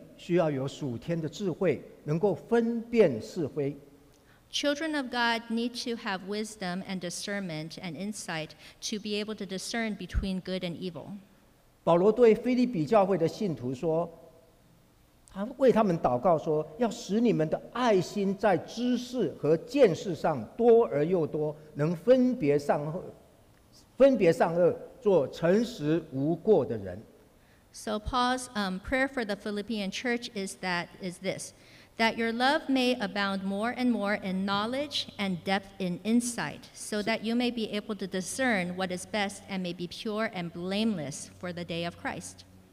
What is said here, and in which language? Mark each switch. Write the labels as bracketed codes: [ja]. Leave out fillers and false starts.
[zh] 神的儿女需要有属天的智慧, 能够分辨是非。 [en] Children of God need to have wisdom and discernment and insight to be able to discern between good and evil. [zh] 保罗对腓立比教会的信徒说, 他为他们祷告说, 要使你们的爱心在知识和见识上多而又多, 能分别善恶。 [en] So Paul's prayer for the Philippian church is this, that your love may abound more and more in knowledge and depth in insight, so that you may be able to discern what is best and may be pure and blameless for the day of Christ.